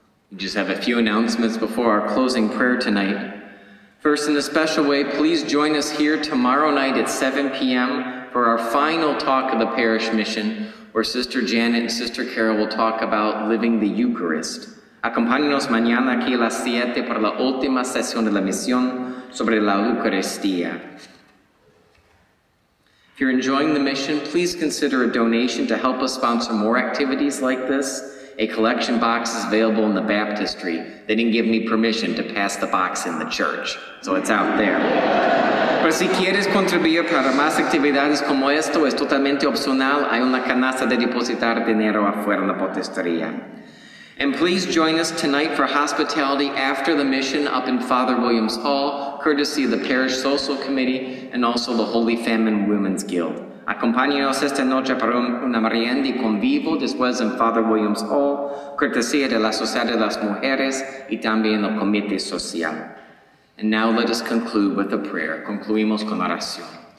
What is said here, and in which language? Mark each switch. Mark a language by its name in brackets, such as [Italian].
[English] We just have a few announcements before our closing prayer tonight. First, in a special way, please join us here tomorrow night at 7 p.m. for our final talk of the parish mission, where Sister Janet and Sister Carol will talk about living the Eucharist. [Spanish] Acompáñenos mañana aquí a las 7 para la última sesión de la misión sobre la Eucaristía. [English] If you're enjoying the mission, please consider a donation to help us sponsor more activities like this. A collection box is available in the baptistry. They didn't give me permission to pass the box in the church, so it's out there. [Spanish] Pero si quieres contribuir para más actividades como esto, es totalmente opcional. Hay una canasta de depositar dinero afuera en la baptistería. [English] And please join us tonight for hospitality after the mission up in Father Williams Hall, courtesy of the Parish Social Committee and also the Holy Family Women's Guild. [Spanish] Acompáñenos esta noche para una merienda y convivo después en Father Williams Hall, cortesía de la Sociedad de las Mujeres y también el Comité Social. [English] And now let us conclude with a prayer. [Spanish] Concluimos con oración.